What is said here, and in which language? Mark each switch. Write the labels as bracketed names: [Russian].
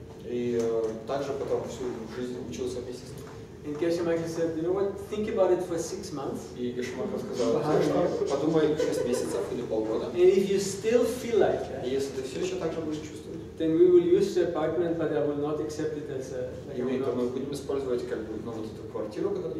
[Russian] И также потом всю жизнь учился вместе с ним. [English] And Geshe-la said, you know what, think about it for 6 months. [Russian] И Geshe-la сказал, что подумай 6 месяцев или полгода. [English] And if you still feel like [Russian] that, если ты все еще так же будешь чувствовать, [English] then we will use the apartment, but I will not accept it as a... [Russian] Like мы будем использовать как бы, ну, вот эту квартиру, которую